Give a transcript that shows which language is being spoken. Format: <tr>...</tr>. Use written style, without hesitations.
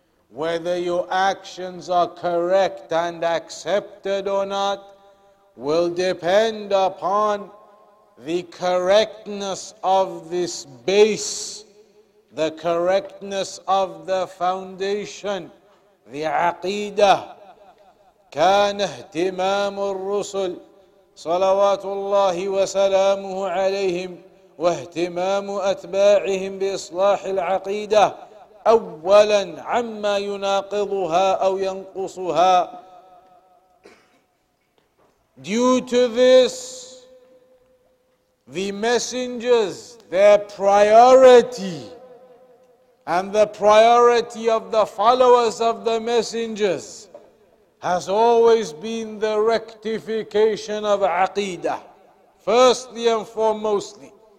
<en>Whether your actions are correct and accepted or not will depend upon the correctness of this base, the correctness of the foundation.</en> <ar>The aqidah, كان اهتمام الرسل صلوات الله وسلامه عليهم واهتمام أتباعهم بإصلاح العقيدة أولا عما يناقضها أو ينقصها.</ar> <en>Due to this, the messengers, their priority And the priority of the followers of the messengers has always been the rectification of aqidah, firstly and foremostly,</en>